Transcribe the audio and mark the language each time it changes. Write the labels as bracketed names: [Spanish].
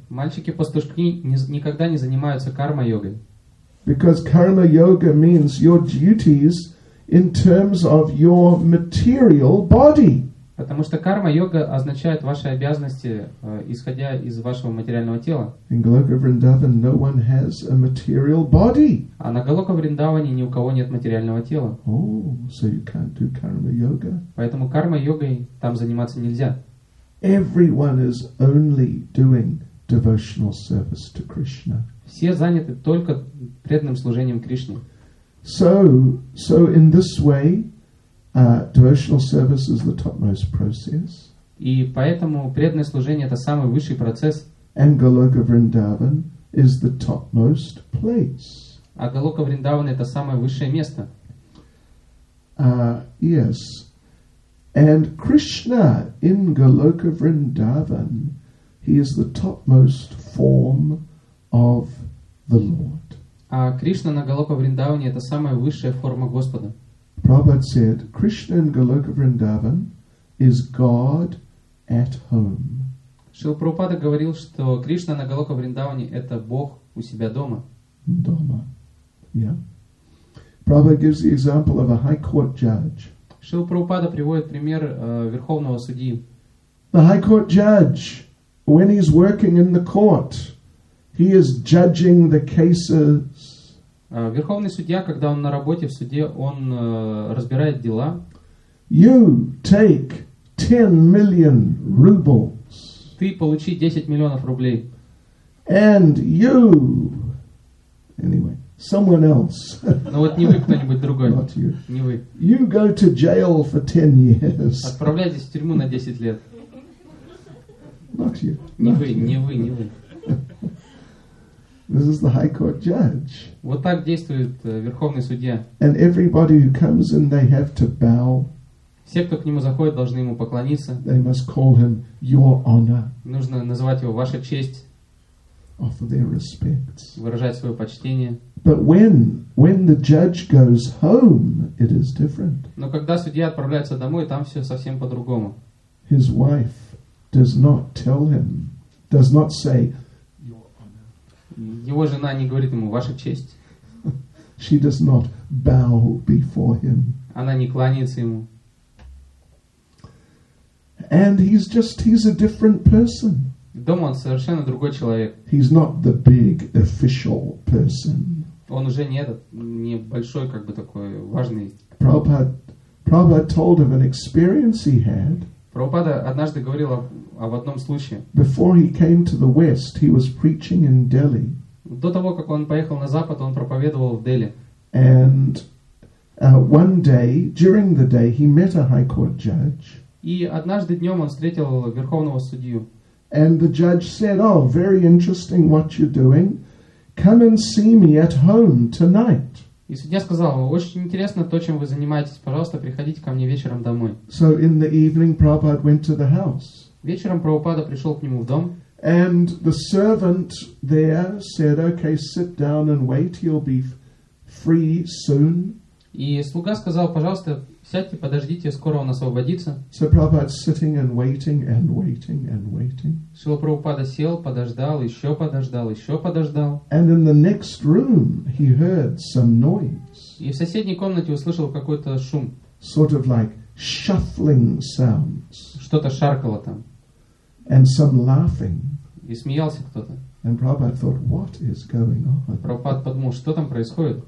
[Russian] Мальчики-пастушки никогда не занимаются карма-йогой. [English] Because karma yoga means your duties in terms of your material body. [Russian] Потому что карма-йога означает ваши обязанности, исходя из вашего материального тела. [English] In Goloka Vrindavan, no one has a material body. [Russian] А на Голока Вриндаване ни у кого нет материального тела. [English] Oh, so you can't do karma yoga. [Russian] Поэтому карма-йогой там заниматься нельзя. [English] Everyone is only doing devotional service to Krishna. [Russian] Все заняты только преданным служением Кришне. [English] So in this way, devotional service is the topmost process. [Russian] И поэтому преданное служение это самый высший процесс. [English] And Goloka Vrindavan is the topmost place. [Russian] А Голока Вриндаван это самое высшее место. [English] Yes. And Krishna in Goloka Vrindavan, he is the topmost form of the Lord. [Russian] А Кришна на Голока Вриндаване это самая высшая форма Господа. [English] Prabhupada said, Krishna in Goloka Vrindavan is God at home. [Russian] Шрила Прабхупада говорил, что Кришна на Голока Вриндаване это Бог у себя дома. Дома. Yeah. [English] Prabhupada gives the example of a high court judge. [Russian] Шрила Прабхупада приводит пример верховного судьи. [English] The high court judge, when he's working in the court, he is judging the cases. [Russian] Верховный судья, когда он на работе в суде, он разбирает дела. [English] You take 10 million rubles. [Russian] Ты получи 10 миллионов рублей. [English] And you, anyway, someone else. [Russian] Ну вот не вы, кто-нибудь другой. [English] Not you. [Russian] Не вы. [English] You go to jail for 10 years. [Russian] Отправляйтесь в тюрьму на 10 лет. [English] Not you. [Russian] Не [English] Not [Russian] вы, [English] you. [Russian] Не вы, не вы. [English] This is the high court judge. [Russian] Вот так действует верховный судья. [English] And everybody who comes in, they have to bow. [Russian] Все, кто к нему заходит, должны ему поклониться. [English] They must call him your honor. [Russian] Нужно называть его ваша честь. [English] Offer their respects. [Russian] Выражать свое почтение. [English] But when the judge goes home, it is different. [Russian] Но когда судья отправляется домой, там все совсем по-другому. [English] His wife does not tell him, does not say, [Russian] Его жена не говорит ему «Ваша честь». [English] She does not bow before him. [Russian] Она не кланяется ему. [English] And he's a different person. [Russian] Дома он совершенно другой человек. [English] He's not the big official person. [Russian] Он уже не этот, не большой, как бы такой важный. [English] Prabhupada told of an experience he had. [Russian] Прабхупада однажды говорил об одном случае. [English] Before he came to the West, he was preaching in Delhi. [Russian] До того, как он поехал на Запад, он проповедовал в Дели. [English] And one day, during the day, he met a high court judge. [Russian] И однажды днем он встретил верховного судью. [English] And the judge said, "Oh, very interesting what you're doing. Come and see me at home tonight." [Russian] И судья сказал, очень интересно то, чем вы занимаетесь. Пожалуйста, приходите ко мне вечером домой. [English] So in the evening, Prabhupada went to the house. [Russian] Вечером Прабхупада пришел к нему в дом. [English] And the servant there said, "Okay, sit down and wait. You'll be free soon." [Russian] И слуга сказал, пожалуйста, сядьте, подождите, скоро он освободится. [English] So Prabhupada sitting and waiting and waiting and waiting. [Russian] Шрила Прабхупада сел, подождал, еще подождал, еще подождал. [English] And in the next room he heard some noise. [Russian] И в соседней комнате услышал какой-то шум. [English] Sort of like shuffling sounds. [Russian] Что-то шаркало там. [English] And some laughing. [Russian] И смеялся кто-то. [English] And Prabhupada thought, what is going on? [Russian] Прабхупада подумал, что там происходит?